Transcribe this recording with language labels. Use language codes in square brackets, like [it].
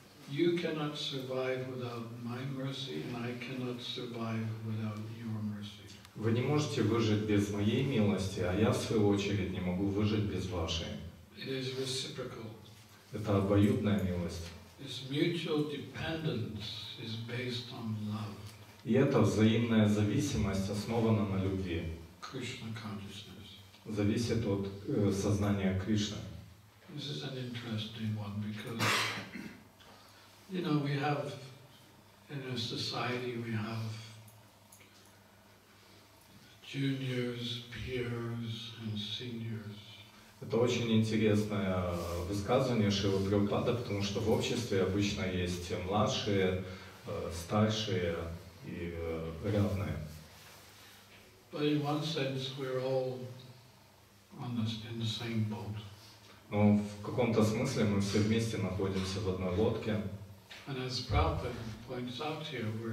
[en] You cannot survive without my mercy, and I cannot survive without your mercy. [ru] Вы не можете выжить без моей милости, а я в свою очередь не могу выжить без вашей. [en] It is reciprocal. [ru] Это обоюдная милость. [en] This mutual dependence is based on love. [ru] И эта взаимная зависимость основана на любви. [en] Krishna consciousness. [ru] Зависит от сознания Кришны. [en] This is an interesting one because, you know, we have in our society we have juniors, peers, and seniors. [ru] Это очень интересное высказывание Шрилы Прабхупады, потому что в обществе обычно есть младшие, старшие и равные. [en] But in one sense, we're all on this, in the same boat. [ru] Но в каком-то смысле мы все вместе находимся в одной лодке. [en] And as Prabhupada points out here,